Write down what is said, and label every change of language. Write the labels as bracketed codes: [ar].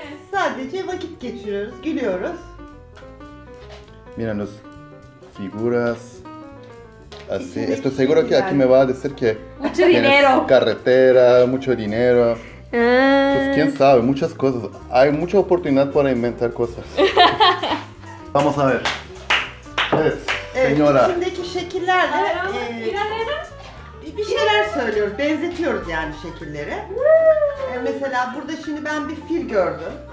[tr] Sadece vakit geçiriyoruz, gülüyoruz. [es] Mira nos figuras así. Estoy seguro que aquí me va a decir que mucho dinero, carretera, mucho dinero. Pues quién sabe, muchas cosas. Hay mucha oportunidad para inventar cosas. Vamos a ver. [tr] Evet, [es] señora. [tr] İçindeki şekillerle bir şeyler söylüyoruz, benzetiyoruz yani şekilleri. Mesela burada şimdi ben bir fil gördüm.